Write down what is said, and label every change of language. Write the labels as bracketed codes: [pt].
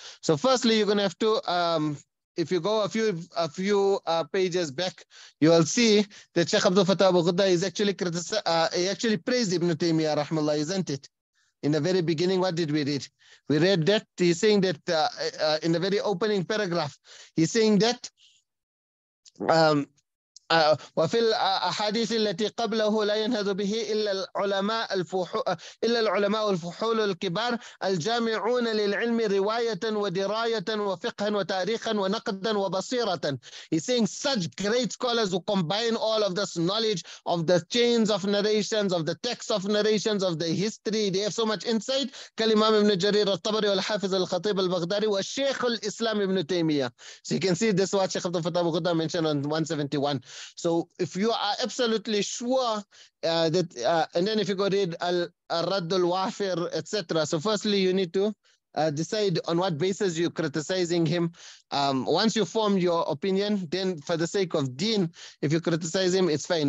[en] So firstly, you're going to have to, if you go a few pages back, you will see that Shaykh Abd al-Fattah Abu Ghuddah is actually he actually praised Ibn Taymiyyah, rahmallah, isn't it? In the very beginning, what did we read? We read that he's saying that in the very opening paragraph, he's saying that [ar] وفي الأحاديث التي قبله لا ينهض به إلا العلماء إلا العلماء الفحول الكبار الجامعون للعلم رواية ودراية وفقها وتاريخا ونقدا وبصيرة. [en] He's saying such great scholars who combine all of this knowledge of the chains of narrations, of the texts of narrations, of the history. They have so much insight. [ar] كالإمام ابن جرير الطبري والحافظ الخطيب البغدادي والشيخ الإسلام ابن تيمية. [en] So you can see this what Shaykh Abd al-Fattah mentioned on 171. So if you are absolutely sure that, and then if you go read al-Radd al-Wafir, etc. So firstly, you need to decide on what basis you're criticizing him. Once you form your opinion, then for the sake of deen, if you criticize him, it's fine.